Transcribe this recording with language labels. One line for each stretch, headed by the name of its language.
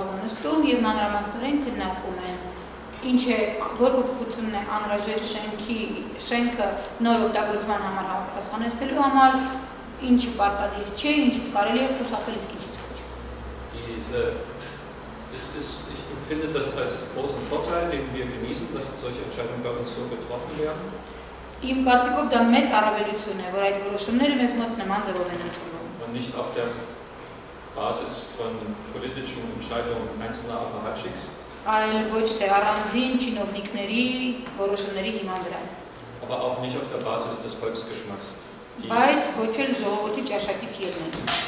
Armenian: Ինչ է, որ փոփոխությունն է անհրաժեշտ շենքի, շենքը նոր օգտագործման համար համապատասխանեցնելու համար, ինչը պարտադիր չէ, ինչից կարելի է խուսափել, իսկ ինչից ոչ։
German: Ich empfinde das als großen Vorteil, den wir genießen, dass solche Entscheidungen bei uns so getroffen werden.
Armenian: Իմ կարծիքով դա մեծ առավելություն է, որ այդ որոշումները մեզ մոտ նման ձևով են ընթանում։
German: Und nicht auf der Basis von politischen Entscheidungen einzelner Apparatschiks.
Armenian: Այլ ոչ թե առանձին չինովնիկների որոշումների հիման վրա։
German: Aber auch nicht auf der Basis des Volksgeschmacks.
Armenian: Բայց ոչ էլ ժողովրդի ճաշակից ելնելու։